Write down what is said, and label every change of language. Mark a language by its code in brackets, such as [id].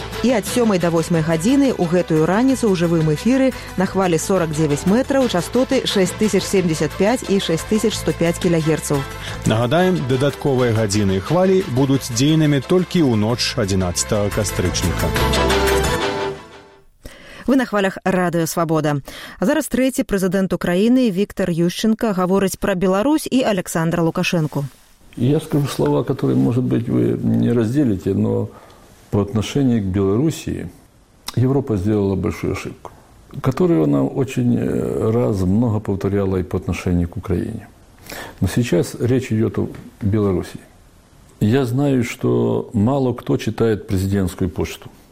[be] І ад 7 да 8 гадзіны ў гэтую раніцу ў жывым эфіры на хвалі 49 метраў частоты 6075 і 6105 кГц. Нагадаем, дадатковыя гадзіны і хвалі будуць дзейнымі толькі ў ноч 11 кастрычніка. Вы на хвалях «Радио Свабода». А зараз трэці прэзідэнт Украіны Віктор Ющенко гаворыць пра Беларусь і Александра Лукашэнку. [ru] Я скажу слова, которые, может быть, вы не разделите, но по отношению к Белоруссии Европа сделала большую ошибку, которую она очень раз много повторяла и по отношению к Украине. Но сейчас речь идет о Белоруссии. Я знаю, что мало кто читает президентскую почту.